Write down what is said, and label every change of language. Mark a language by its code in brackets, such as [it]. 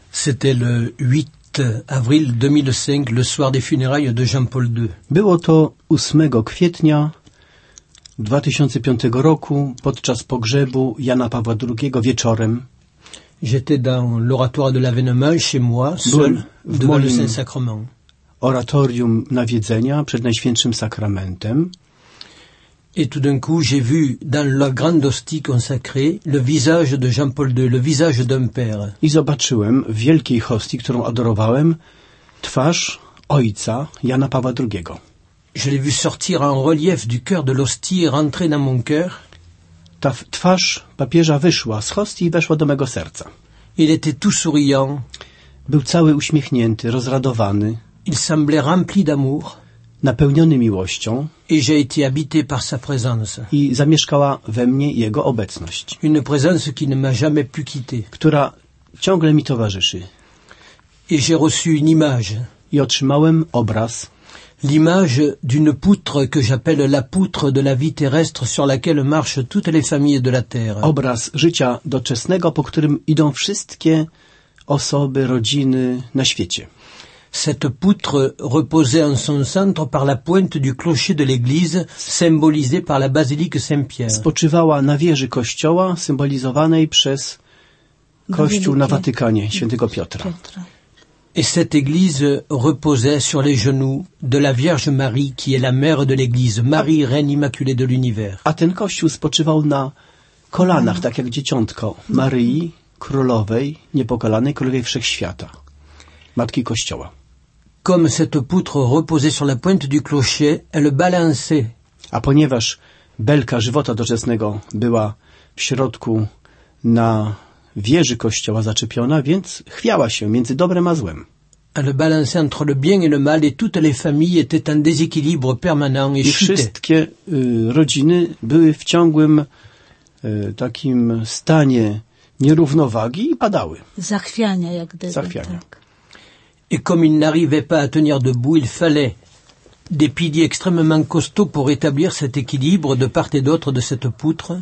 [fr] C'était le 8 avril 2005, le soir des funérailles de Jean-Paul II. [pl] Było to 8 kwietnia 2005 roku, podczas pogrzebu Jana Pawła II wieczorem. [fr] J'étais dans l'oratoire de l'Avènement chez moi, seul, devant le Saint-Sacrement. [pl] Oratorium Nawiedzenia przed Najświętszym Sakramentem. [fr] Et tout d'un coup, j'ai vu dans la grande hostie consacrée le visage de Jean-Paul II, le visage d'un père. [pl] I zobaczyłem w wielkiej hostii, którą adorowałem, twarz ojca Jana Pawła II. [fr] Je l'ai vu sortir en relief du cœur de l'hostie et rentrer dans mon cœur. [pl] Ta twarz papieża wyszła z hostii i weszła do mego serca. [fr] Il était tout souriant. [pl] Był cały uśmiechnięty, rozradowany. [fr] Il semblait rempli d'amour. [pl] Napełniony miłością. [fr] Et j'ai été habité par sa présence. [pl] I zamieszkała we mnie jego obecność. [fr] Une présence qui ne m'a jamais pu quitter. [pl] Która ciągle mi towarzyszy. [fr] Et j'ai reçu une image. [pl] I otrzymałem obraz. [fr] L'image d'une poutre que j'appelle la poutre de la vie terrestre sur laquelle marchent toutes les familles de la terre. [pl] Obraz życia doczesnego, po którym idą wszystkie osoby, rodziny na świecie. [fr] Cette poutre reposait en son centre par la pointe du clocher de l'église, symbolisée par la basilique Saint-Pierre. [pl] Spoczywała na wieży kościoła, symbolizowanej przez kościół na Watykanie, świętego Piotra. [fr] Et cette église reposait sur les genoux de la Vierge Marie, qui est la mère de l'église, Marie, reine immaculée de l'univers. [pl] A ten kościół spoczywał na kolanach, tak jak dzieciątko, Maryi, królowej, niepokalanej, królowej wszechświata. Matki Kościoła. [fr] Comme cette poutre reposait sur la pointe du clocher, elle balançait. [pl] A ponieważ belka żywota doczesnego była w środku na wieży kościoła zaczepiona, więc chwiała się między dobrem a złem. [fr] Elle balançait entre le bien et le mal et toutes les familles étaient en déséquilibre permanent et chutaient. [pl] I wszystkie rodziny były w ciągłym takim stanie nierównowagi i padały. Zachwiania jak gdyby. Zachwiania. Tak. [fr] Et comme il n'arrivait pas à tenir debout, il fallait des piliers extrêmement costauds pour établir cet équilibre de part et d'autre de cette poutre.